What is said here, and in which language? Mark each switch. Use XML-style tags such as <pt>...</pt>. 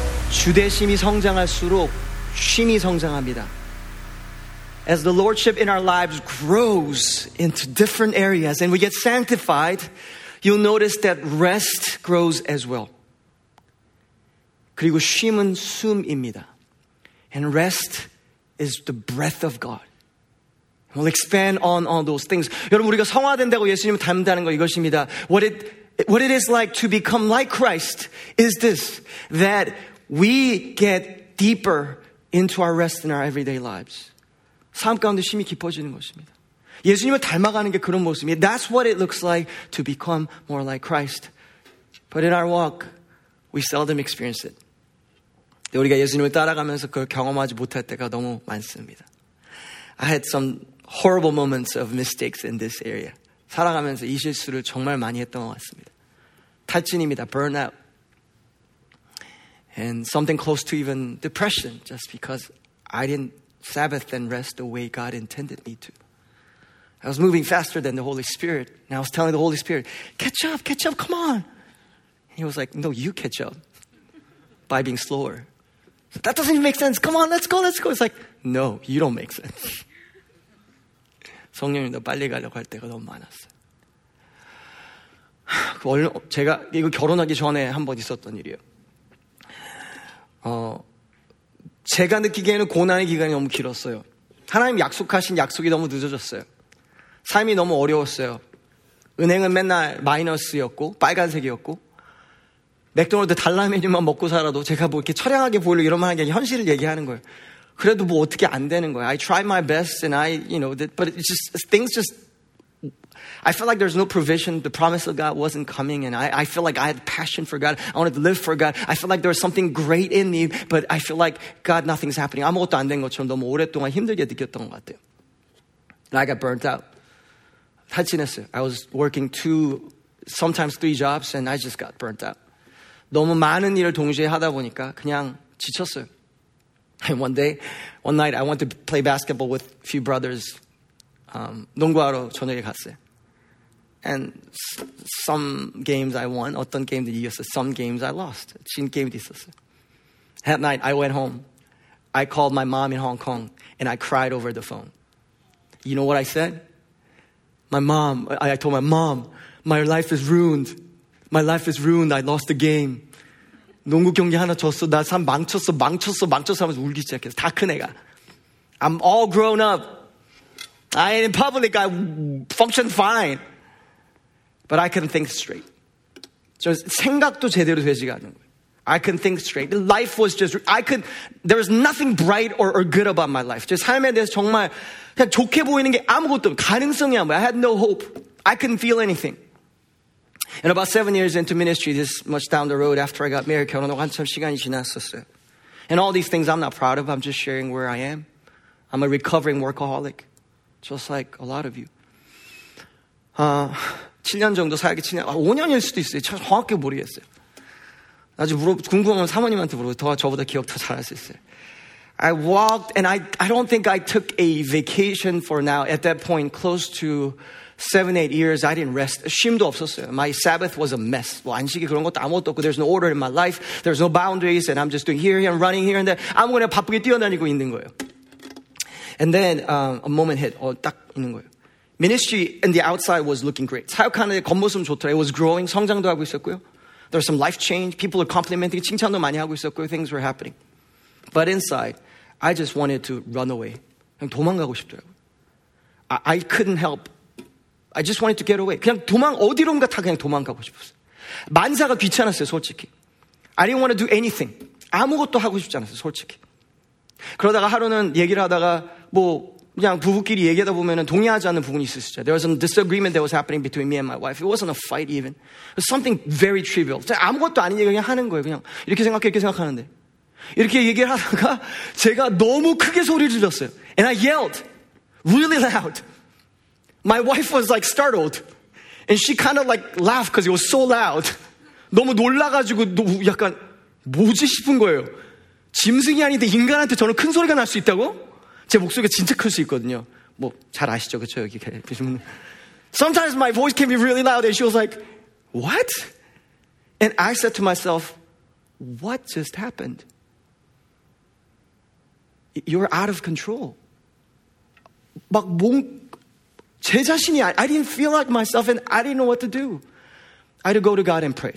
<ko>주대심이 성장할수록 쉼이 성장합니다.</ko> <en>As the lordship in our lives grows into different areas and we get sanctified, you'll notice that rest grows as well.</en> <ko>그리고 쉼은 숨입니다.</ko> <en>And rest is the breath of God. We'll expand on all those things.</en> <ko>여러분, 우리가 성화된다고 예수님을 닮다는 거 이것입니다.</ko> <en>What it is like to become like Christ is this, that we get deeper into our rest in our everyday lives.</en> <ko>삶 가운데 쉼이 깊어지는 것입니다. 예수님을 닮아가는 게 그런 모습입니다.</ko> <en>That's what it looks like to become more like Christ. But in our walk, we seldom experience it.</en> <ko>우리가 예수님을 따라가면서 그걸 경험하지 못할 때가 너무 많습니다.</ko> <en>I had some horrible moments of mistakes in this area.</en> <ko>살아가면서 이 실수를 정말 많이 했던 것 같습니다. 탈진입니다. Burnout.</ko> <en>And something close to even depression just because I didn't Sabbath and rest the way God intended me to. I was moving faster than the Holy Spirit. And I was telling the Holy Spirit, catch up, come on. And he was like, no, you catch up by being slower. So that doesn't even make sense. Come on, let's go. It's like, no, you don't make sense.</en> <ko>성령님도 빨리 가려고 할 때가 너무 많았어요. 제가 이거 결혼하기 전에 한번 있었던 일이에요. 제가 느끼기에는 고난의 기간이 너무 길었어요. 하나님 약속하신 약속이 너무 늦어졌어요. 삶이 너무 어려웠어요. 은행은 맨날 마이너스였고 빨간색이었고 맥도날드 달러 메뉴만 먹고 살아도 제가 뭐 이렇게 처량하게 보이려고 이런 말 하는 게 현실을 얘기하는 거예요. 그래도 뭐 어떻게 안 되는 거예요.</ko> <en>I tried my best and I, you know, but it's just, things just, I felt like there's no provision. The promise of God wasn't coming and I feel like I had passion for God. I wanted to live for God. I felt like there was something great in me, but I feel like God, nothing's happening.</en> <ko>아무것도 안 된 것처럼 너무 오랫동안 힘들게 느꼈던 것 같아요.</ko> <en>And I got burnt out.</en> <ko>탈진했어요.</ko> <en>I was working two, sometimes three jobs and I just got burnt out.</en> <ko>너무 많은 일을 동시에 하다 보니까 그냥 지쳤어요.</ko> <en>And one night, I went to play basketball with a few brothers.</en> <ko>농구하러 저녁에 갔어요.</ko> <en>And some games I won.</en> <ko>어떤 게임들 이겼어요.</ko> <en>Some games I lost.</en> <ko>진 게임도 있었어요.</ko> <en>That night, I went home. I called my mom in Hong Kong, and I cried over the phone. You know what I said? I told my mom, my life is ruined. My life is ruined. I lost the game.</en> <ko>농구 경기 하나 졌어. 나 삶 망쳤어. 망쳤어. 망쳤어 하면서 울기 시작했어. 다 큰 애가.</ko> <en>I'm all grown up. I in public, I function fine. But I couldn't think straight.</en> <ko>저 생각도 제대로 되지가 않는 거예요.</ko> <en>I couldn't think straight. Life was just, there was nothing bright or good about my life.</en> <ko>제 삶에 대해서 정말 그냥 좋게 보이는 게 아무것도 가능성이 안 보여.</ko> <en>I had no hope. I couldn't feel anything. And about 7 years into ministry, this much down the road, after I got married,</en> <ko>결혼하고 한참 시간이 지났었어요.</ko> <en>And all these things I'm not proud of. I'm just sharing where I am. I'm a recovering workaholic, just like a lot of you.</en> <ko>7년 정도 살게 7년, 5년일 수도 있어요. 참 정확히 모르겠어요. 나중에 궁금하면 사모님한테 물어보세요. 저보다 기억 더 잘할 수 있어요.</ko> <en>I walked, and I don't think I took a vacation for now. At that point, close to 7-8 years, I didn't rest.</en> <ko>쉼도 없었어요.</ko> <en>My Sabbath was a mess.</en> <ko>뭐 안식이 그런 것도 아무것도 없고,</ko> <en>there's no order in my life, there's no boundaries, and I'm just doing here and running here and there.</en> <ko>아무거나 바쁘게 뛰어다니고 있는 거예요.</ko> <en>And then a moment hit.</en> <ko>딱 있는 거예요.</ko> <en>Ministry in the outside was looking great.</en> <ko>사역하는 겉모습 좋더라.</ko> <en>It was growing.</en> <ko>성장도 하고 있었고요.</ko> <en>There was some life change. People were complimenting.</en> <ko>칭찬도 많이 하고 있었고요.</ko> <en>Things were happening. But inside, I just wanted to run away.</en> <ko>그냥 도망가고 싶더라고요.</ko> <en>I couldn't help. I just wanted to get away.</en> <ko>그냥 도망 어디론가 다 그냥 도망가고 싶었어요. 만사가 귀찮았어요, 솔직히.</ko> <en>I didn't want to do anything.</en> <ko>아무것도 하고 싶지 않았어요, 솔직히. 그러다가 하루는 얘기를 하다가 뭐 그냥 부부끼리 얘기하다 보면은 동의하지 않는 부분이 있을 수 있어요.</ko> <en>There was a disagreement that was happening between me and my wife. It wasn't a fight even. It was something very trivial.</en> <ko>아무것도 아닌 얘기 그냥 하는 거예요. 그냥 이렇게 생각해, 이렇게 생각하는데. 이렇게 얘기를 하다가 제가 너무 크게 소리를 질렀어요.</ko> <en>And I yelled really loud. My wife was like startled. And she kind of like laughed because it was so loud.</en> <ko>너무 놀라가지고 약간 뭐지 싶은 거예요. 짐승이 아닌데 인간한테 저는 큰 소리가 날 수 있다고? 제 목소리가 진짜 클 수 있거든요. 뭐 잘 아시죠? 그쵸? 여기 계시면.</ko> <en>Sometimes my voice can be really loud and she was like, what? And I said to myself, what just happened? you're out of control.</en> <ko>막 몸, 제 자신이,</ko> <en>I didn't feel like myself and I didn't know what to do. I had to go to God and pray.</en>